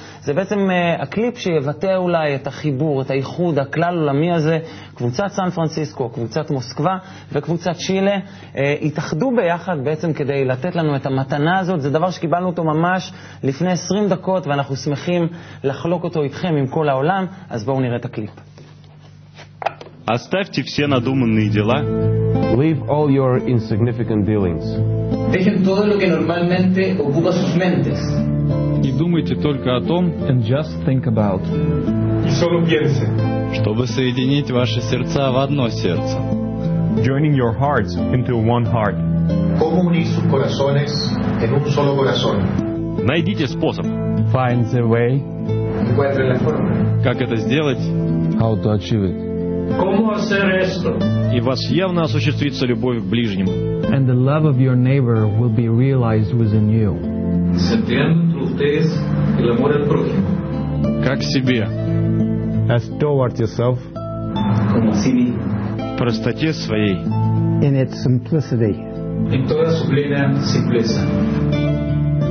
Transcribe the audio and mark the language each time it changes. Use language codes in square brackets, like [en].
[he] זה בעצם הקליפ שיבטא אולי את החיבור, את הייחוד, הכלל עולמי הזה. קבוצת סן פרנסיסקו, קבוצת מוסקבה וקבוצת צ'ילה התאחדו ביחד בעצם כדי לתת לנו את המתנה הזאת. זה דבר שקיבלנו אותו ממש לפני 20 דקות, ואנחנו שמחים לחלוק אותו איתכם עם כל העולם. אז בואו נראה את הקליפ. [ru] Оставьте все надуманные дела. [en] Leave all your insignificant dealings. [es] Dejen todo lo que normalmente ocupa sus mentes. [ru] И думайте только о том, [en] and just think about. [es] И solo piense. [ru] Чтобы соединить ваши сердца в одно сердце. [en] Joining your hearts into one heart. [es] Como unir sus corazones en un solo corazón. [ru] Найдите способ. [en] Find the way. [es] Encuentre la forma. [ru] Как это сделать? [en] How to achieve it. [es] Como hacer esto? [ru] И вас явно осуществится любовь к ближнему. [en] And the love of your neighbor will be realized within you. [es] Sintiendo ustedes el amor al prójimo. [ru] Как себе? [en] As toward yourself. [es] Como a sí mismo. [ru] В простоте своей. [en] In its simplicity. [es] En toda su plena simpleza.